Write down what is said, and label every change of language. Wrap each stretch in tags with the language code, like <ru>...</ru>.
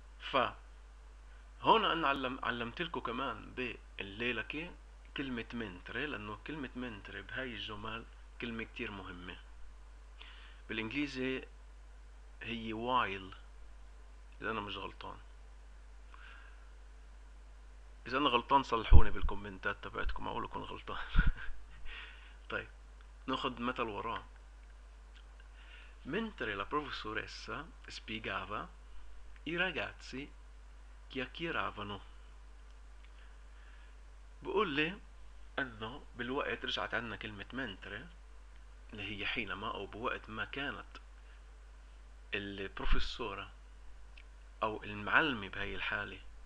<ar>فهنا أنا علمت لكم كمان بالليلة كلمة منتري، لأنه كلمة منتري بهاي الجمل كلمة كتير مهمة. بالإنجليزي هي while، إذا أنا مش غلطان، إذا أنا غلطان صلحوني بالكومنتات تبعتكم، أقول لكم غلطان. طيب ناخد مثل وراه.</ar> <it>Mentre la professoressa spiegava, i ragazzi chiacchieravano.</it> <ar>بقول لي انه بالوقت، رجعت عندنا كلمة mentre اللي هي حينما، او بوقت ما كانت البروفيسورة او المعلمة بهاي الحالة</ar>